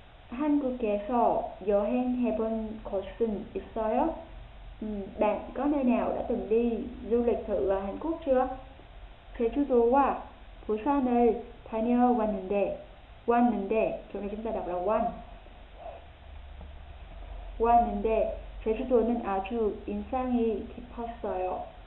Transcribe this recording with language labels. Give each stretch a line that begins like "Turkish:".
Korean: Hàn Quố에서 여행해본 곳은 있어요?
Vietnamese: Bạn có nơi nào đã từng đi du lịch thử ở Hàn Quốc chưa?
Korean: 제주도와 부산을 다녀왔는데, 왔는데, 저기
Vietnamese: chúng ta đọc là
Korean: 원. 왔는데, 제주도는 아주 인상이 깊었어요.